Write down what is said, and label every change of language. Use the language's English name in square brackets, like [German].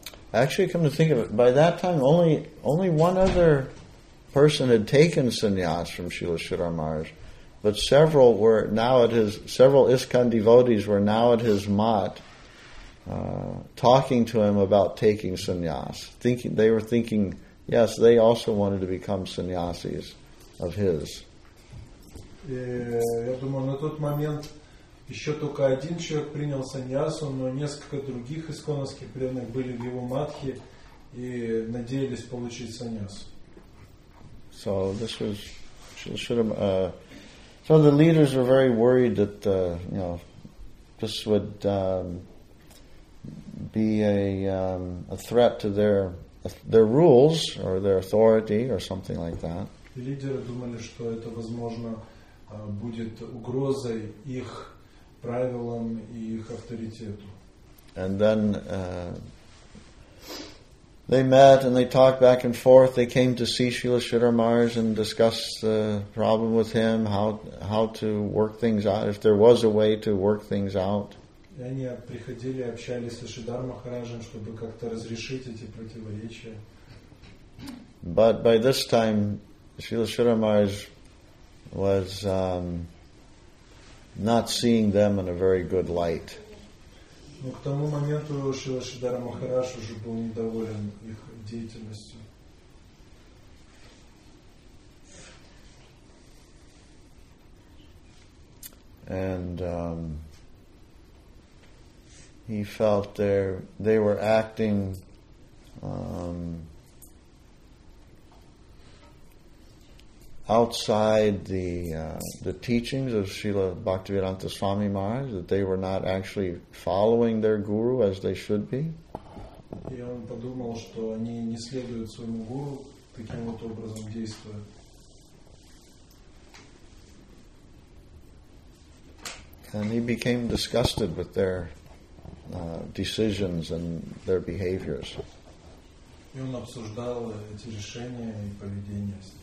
[English] Actually, come to think of it, by that time, only one other person had taken sannyas from Srila Sridhar Maharaj, but several ISKCON devotees were now at his mat, talking to him about taking sannyas. They were thinking, yes, they also wanted to become sannyasis of his. [Russian] Я думаю, на тот момент еще только один человек принял саньясу, но несколько других исконовских преданных были в его матхе и надеялись получить саньясу. [English] So this was so the leaders were very worried that this would be a threat to their rules or their authority or something like that. [Russian] Лидеры думали, что это возможно будет угрозой их правилам и их авторитету. [English] And then they met and they talked back and forth. They came to see Srila Sridhar Maharaj and discussed the problem with him, how to work things out, if there was a way to work things out. [Russian] И они приходили, общались со Шридхар Махараджем, чтобы как-то разрешить эти противоречия. [English] But by this time, Srila Sridhar Maharaj was not seeing them in a very good light. [Russian] Но к тому моменту Шрила Шридхара Махарадж уже был недоволен их деятельностью. [English] And he felt they were acting outside the teachings of Srila Bhaktivedanta Swami Maharaj, that they were not actually following their guru as they should be. [Russian] И он подумал, что они не следуют своему гуру таким вот образом действуют. [English] And he became disgusted with their decisions and their behaviors. [Russian] И он обсуждал эти решения и поведение.